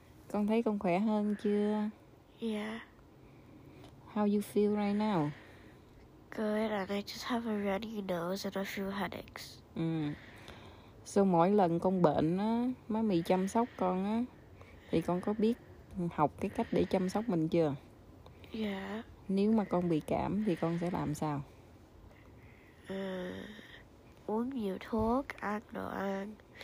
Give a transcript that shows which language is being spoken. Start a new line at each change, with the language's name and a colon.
Vietnamese: Con thấy con khỏe hơn chưa?
English: Yeah. How you feel right now? Good, and I just have a runny nose and a few headaches.
Vietnamese: So mỗi lần con bệnh á, má mì chăm sóc con á, thì con có biết học cái cách để chăm sóc mình chưa?
English: Yeah.
Vietnamese: Nếu mà con bị cảm thì con sẽ làm sao? Uống nhiều thuốc, ăn đồ ăn.